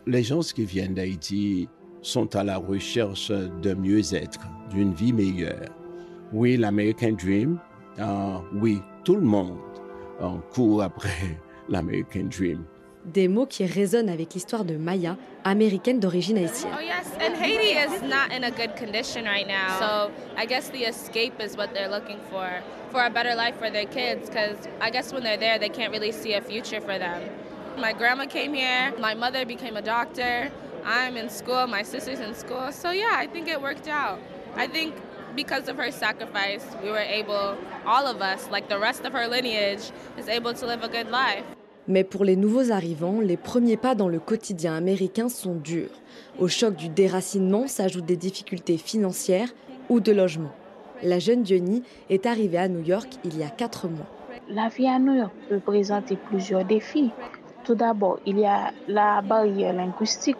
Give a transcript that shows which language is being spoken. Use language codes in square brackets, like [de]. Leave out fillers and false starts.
[fr] Les gens qui viennent d'Haïti sont à la recherche de mieux-être, d'une vie meilleure. Oui, l'American Dream, oui, tout le monde court après l'American Dream. Des mots qui résonnent avec l'histoire de Maya, américaine d'origine haïtienne. [en] Oh yes, and Haiti is not in a good condition right now. So I guess the escape is what they're looking for a better life for their kids, because I guess when they're there, they can't really see a future for them. My grandma came here, my mother became a doctor, I'm in school, my sister's in school. So yeah, I think it worked out. I think because of her sacrifice, we were able, all of us, like the rest of her lineage, is able to live a good life. [fr] Mais pour les nouveaux arrivants, les premiers pas dans le quotidien américain sont durs. Au choc du déracinement s'ajoutent des difficultés financières ou de logement. La jeune Diony est arrivée à New York il y a 4 mois. La vie à New York peut présenter plusieurs défis. Tout d'abord, il y a la barrière linguistique.